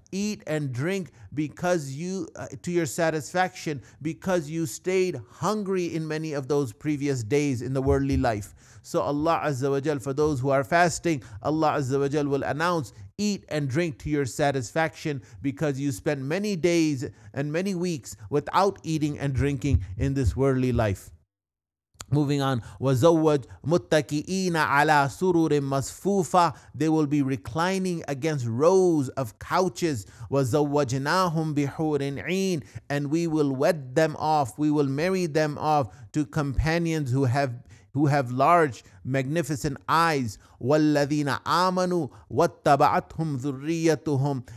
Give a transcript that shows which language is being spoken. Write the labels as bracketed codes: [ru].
[en] Eat and drink because you, to your satisfaction, because you stayed hungry in many of those previous days in the worldly life. So Allah Azza wa Jalla, for those who are fasting, Allah Azza wa Jalla will announce, eat and drink to your satisfaction because you spent many days and many weeks without eating and drinking in this worldly life. Moving on, [ar] وَزَوَّجْ مُتَّكِئِينَ عَلَى سُرُورٍ مَصْفُوفَ. [en] They will be reclining against rows of couches. [ar] وَزَوَّجْنَاهُمْ بِحُورٍ عِينَ. [en] And we will wed them off, we will marry them off to companions who have large, magnificent eyes. [ar] وَالَّذِينَ آمَنُوا وَاتَّبَعَتْهُمْ ذُرِّيَّتُهُمْ.